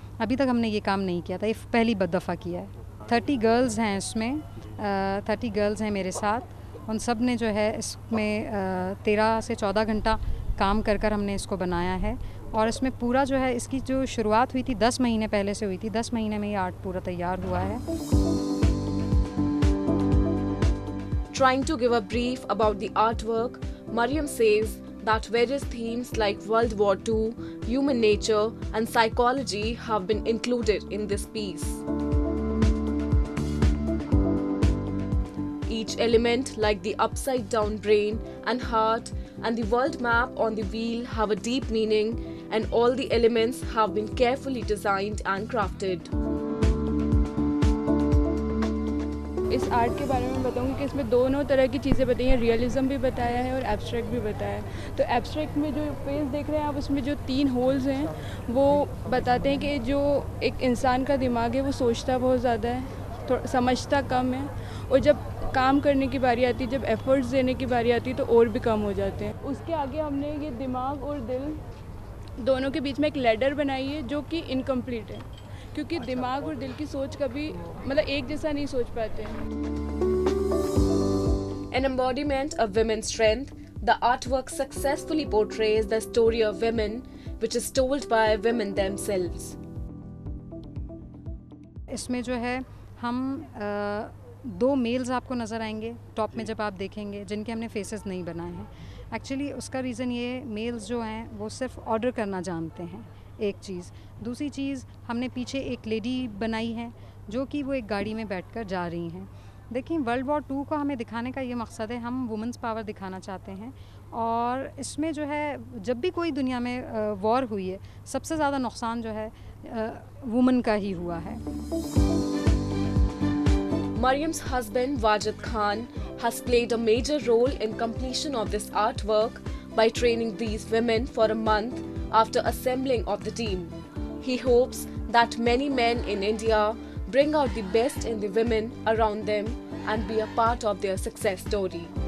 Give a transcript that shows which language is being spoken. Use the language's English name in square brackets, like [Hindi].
[Hindi] अभी तक हमने ये काम नहीं किया था, ये पहली दफ़ा किया है। 30 गर्ल्स हैं इसमें, 30 गर्ल्स हैं मेरे साथ, उन सब ने जो है इसमें 13 से 14 घंटा काम कर हमने इसको बनाया है। और इसमें पूरा जो है इसकी जो शुरुआत हुई थी 10 महीने पहले से हुई थी, 10 महीने में ये आर्ट पूरा तैयार हुआ है। [English] Trying to give a brief about the artwork, Maryam says that various themes like World War II, human nature and psychology have been included in this piece. Each element like the upside down brain and heart and the world map on the wheel have a deep meaning and all the elements have been carefully designed and crafted. [Hindi] इस art के बारे में बताऊंगी कि इसमें दोनों तरह की चीज़ें बताई हैं, रियलिज्म भी बताया है और एब्स्ट्रैक्ट भी बताया है। तो एब्स्ट्रैक्ट में जो फेस देख रहे हैं आप, उसमें जो तीन होल्स हैं वो बताते हैं कि जो एक इंसान का दिमाग है वो सोचता बहुत ज़्यादा है, समझता कम है, और जब काम करने की बारी आती है, जब एफर्ट्स देने की बारी आती है तो और भी कम हो जाते हैं। उसके आगे हमने ये दिमाग और दिल दोनों के बीच में एक लैडर बनाई है जो कि इनकम्प्लीट है, क्योंकि दिमाग और दिल की सोच कभी मतलब एक जैसा नहीं सोच पाते हैं। [English] An embodiment of women's strength, the artwork successfully portrays the story of women, which is told by women themselves. [Hindi] इसमें जो है हम दो मेल्स आपको नज़र आएंगे टॉप में जब आप देखेंगे, जिनके हमने फेसेस नहीं बनाए हैं। एक्चुअली उसका रीज़न ये, मेल्स जो हैं वो सिर्फ ऑर्डर करना जानते हैं, एक चीज़। दूसरी चीज़, हमने पीछे एक लेडी बनाई है जो कि वो एक गाड़ी में बैठकर जा रही हैं। देखिए, वर्ल्ड वॉर टू को हमें दिखाने का ये मकसद है, हम वुमेंस पावर दिखाना चाहते हैं। और इसमें जो है, जब भी कोई दुनिया में वॉर हुई है, सबसे ज़्यादा नुकसान जो है वुमन का ही हुआ है। [English] Maryam's husband Wajid Khan has played a major role in completion of this artwork by training these women for a month after assembling of the team. He hopes that many men in India bring out the best in the women around them and be a part of their success story.